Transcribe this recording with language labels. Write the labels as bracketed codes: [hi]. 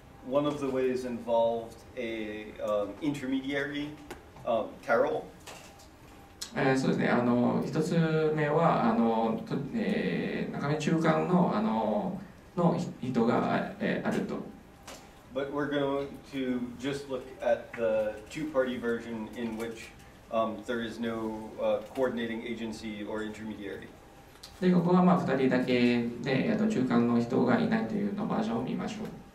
[en] One of the ways involved a intermediary, Carol. [ja] そうですね。一つ目は中間の人があると。 [en] But we're going to just look at the two-party version in which there is no coordinating agency or intermediary. [ja] で、ここはまあ2人だけで、中間の人がいないというのバージョンを見ましょう。